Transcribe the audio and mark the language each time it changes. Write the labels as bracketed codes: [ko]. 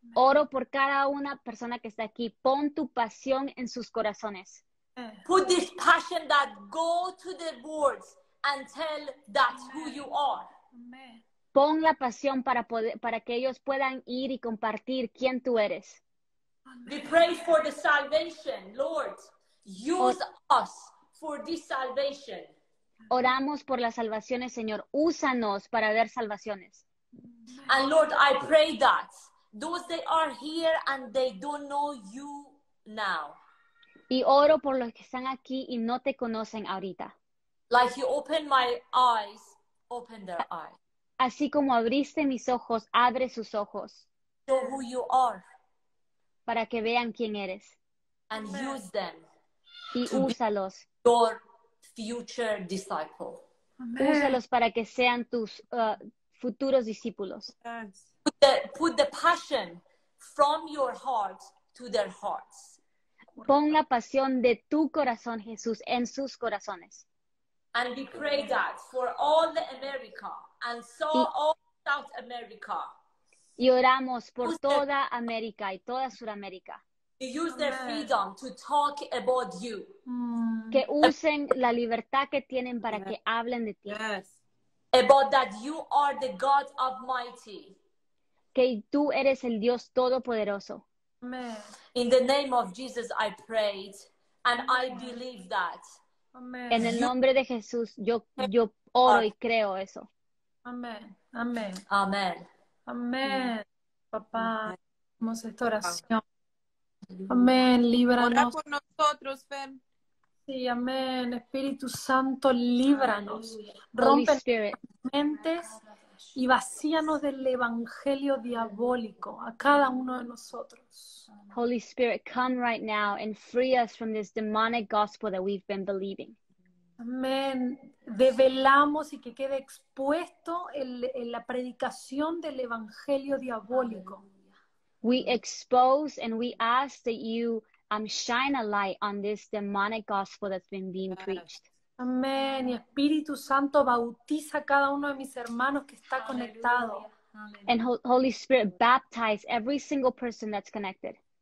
[es] Oro por cada una persona que está aquí. Pon tu pasión en sus corazones. [en] Put this passion that go to the words and tell that who you are. [es] Pon la pasión para que ellos puedan ir y compartir quién tú eres. [en] We pray for the salvation, Lord. Use us for this salvation. [es] Oramos por las salvaciones, Señor. Úsanos para dar salvaciones. [en] And Lord, I pray that those that are here and they don't know you now. [es] Y oro por los que están aquí y no te conocen ahorita. [en] Like you open my eyes, open their eyes. [es] Así como abriste mis ojos, abre sus ojos. [en] Show who you are. [es] Para que vean quién eres. [en] And use them. [es] Y úsalos. [en] Your future disciple. [es] Úsalos para que sean tus futuros discípulos. [en] Put the passion from your heart to their hearts. [es] Pon la pasión de tu corazón, Jesús, en sus corazones. [en] And we pray that for all the America and so all South America. [es] Y oramos por toda América y toda Sudamérica. [en] Use their freedom to talk about you. [es] Que usen la libertad que tienen para que hablen de ti. [en] Yes. about that you are the God Almighty. [es] Que tú eres el Dios Todopoderoso. [en] Amen. In the name of Jesus, I prayed and Amen. I believe that. Amen. [es] En el nombre de Jesús, yo oro y creo eso. Amén. Amén. Amén. Amén. Papá, hacemos esta oración. Amén. Líbranos. Ora por nosotros, Fer. Sí, amén. Espíritu Santo, líbranos. Rompe nuestras mentes y vacíanos del evangelio diabólico a cada uno de nosotros. [en] Holy Spirit, come right now and free us from this demonic gospel that we've been believing. [es] Amén. Develamos y que quede expuesto en la predicación del evangelio diabólico. [en] We expose and we ask that you shine a light on this demonic gospel that's been being preached. [es] Amén. Y Espíritu Santo, bautiza a cada uno de mis hermanos que está conectado. [en] And Holy Spirit, baptize every single person that's connected.